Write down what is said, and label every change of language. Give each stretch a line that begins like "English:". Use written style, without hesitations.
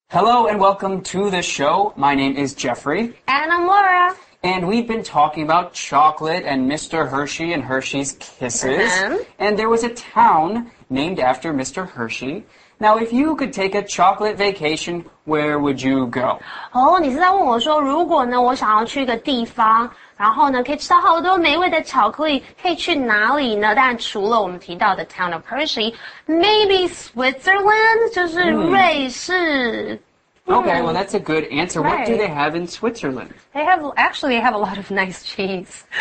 English: Hello and welcome to the show. My name is Jeffrey. And I'm Laura. And we've been talking about chocolate and Mr. Hershey and Hershey's Kisses. And there was a town named after Mr. Hershey. Now, if you could take a chocolate vacation, where would you go?
Chinese: Oh, 你是在问我说，如果呢，我想要去一个地方，然后呢，可以吃到好多美味的巧克力，可以去哪里呢？当然，除了我们提到的
English: town of Hershey, maybe Switzerland,
Chinese: 就是瑞士。
English: Okay, well, that's a good answer. What do they have in Switzerland? They have a lot of nice cheese.